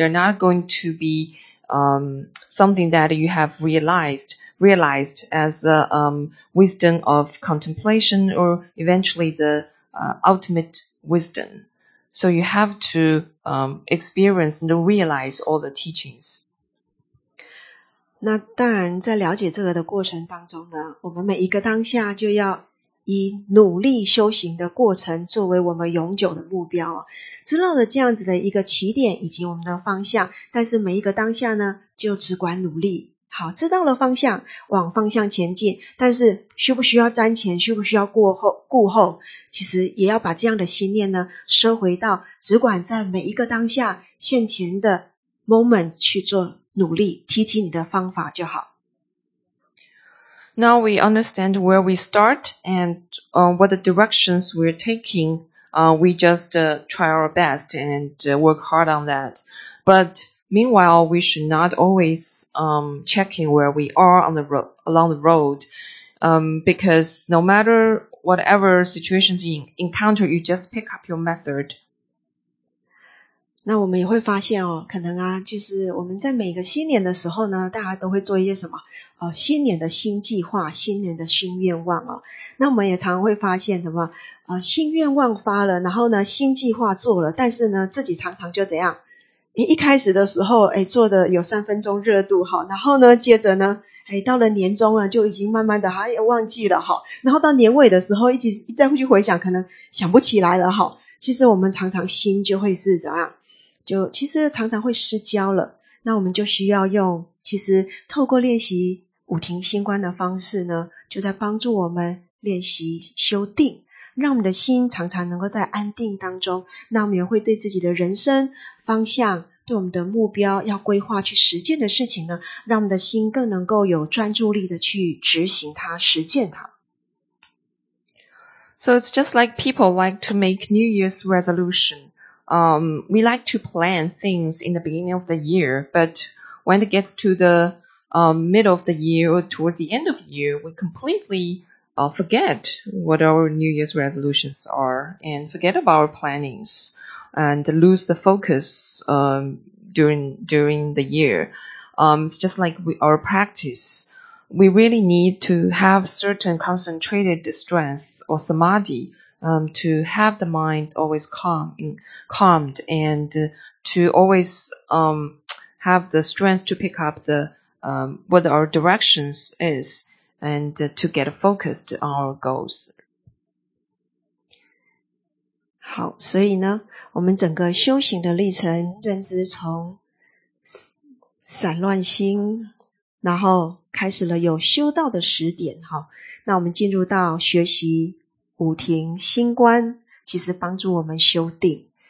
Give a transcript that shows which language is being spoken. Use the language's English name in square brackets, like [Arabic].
[English] They're not going to be something that you have realized as wisdom of contemplation or eventually the ultimate wisdom. So you have to experience and realize all the teachings. [Chinese] 那当然在了解这个的过程当中呢，我们每一个当下就要以努力修行的过程作为我们永久的目标哦，知道了这样子的一个起点以及我们的方向，但是每一个当下呢就只管努力，好，知道了方向往方向前进，但是需不需要瞻前，需不需要顾后，其实也要把这样的心念呢收回到只管在每一个当下现前的 moment 去做努力，提起你的方法就好。 [English] Now we understand where we start and what the directions we're taking. We just try our best and work hard on that. But meanwhile, we should not always checking where we are on the along the road. Because no matter whatever situations you encounter, you just pick up your method. [Chinese] 那我们也会发现哦，可能啊，就是我们在每个新年的时候呢，大家都会做一些什么，新年的新计划，新年的新愿望哦。那我们也常常会发现什么，新愿望发了，然后呢，新计划做了，但是呢，自己常常就怎样，一开始的时候，做的有三分钟热度哈，然后呢，接着呢，到了年终了，就已经慢慢的还忘记了哈，然后到年尾的时候，再会去回想，可能想不起来了哈。其实我们常常心就会是怎样？就其实常常会失焦了，那我们就需要用其实透过练习五停心观的方式呢，就在帮助我们练习修定，让我们的心常常能够在安定当中，那我们也会对自己的人生方向，对我们的目标要规划去实践的事情呢，让我们的心更能够有专注力的去执行它，实践它。 [English] So it's just like people like to make New Year's resolution. We like to plan things in the beginning of the year, but when it gets to the middle of the year or towards the end of the year, we completely forget what our New Year's resolutions are and forget about our plannings and lose the focus during the year. It's just like our practice. We really need to have certain concentrated strength or samadhi to have the mind always calmed and to always have the strength to pick up the what our directions is and to get focused on our goals. [Chinese] 好，所以呢，我们整个修行的历程，正是从散乱心，然后开始了有修道的十点哈。那我们进入到学习五停心观，其实帮助我们修定。